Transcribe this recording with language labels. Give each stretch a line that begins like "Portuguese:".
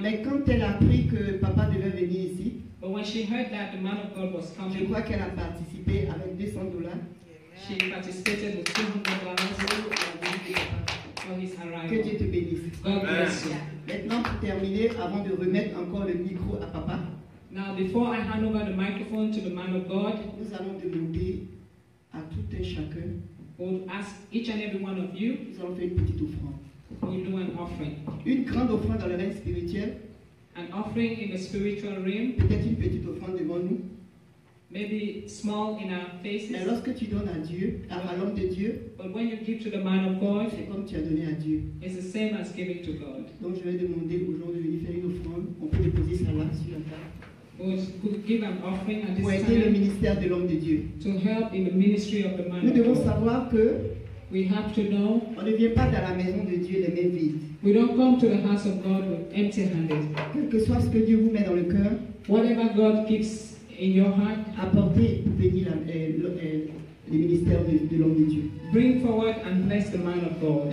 French: Mais quand elle a appris que papa devait venir ici,
English: but when she heard that the man of God was coming,
French: je crois qu'elle a participé avec $200.
English: She participated with $200 for his arrival.
French: Que Dieu te bénisse.
English: God bless you.
French: Maintenant, pour terminer, avant de remettre encore le micro à papa,
English: now before I hand over the microphone to the man of God,
French: nous allons demander à tout un chacun.
English: We'll ask each and every one of you.
French: Nous allons faire une petite offrande.
English: We'll do an offering.
French: Une grande offrande dans le règne spirituel.
English: An offering in the spiritual realm.
French: Peut-être une petite offrande devant nous.
English: Maybe small in our faces.
French: Mais lorsque tu donnes à Dieu, à l'homme de Dieu,
English: but when you give to the man of God,
French: c'est comme tu as donné à Dieu.
English: It's the same as giving to God.
French: Donc je vais demander aux gens de venir faire une offrande. On peut déposer ça là sur la table.
English: Could give an offering at this
French: pour aider
English: time,
French: le ministère de l'homme de Dieu.
English: To help in the ministry of the man.
French: Nous devons savoir que
English: we have to know,
French: on ne vient pas dans la maison de Dieu les mains vides.
English: We don't come to the house of God with empty-handed.
French: Quel que soit ce que Dieu vous met dans le cœur,
English: whatever God keeps in your heart,
French: apportez pour bénir le ministère de l'homme de Dieu.
English: Bring forward and bless the man of God.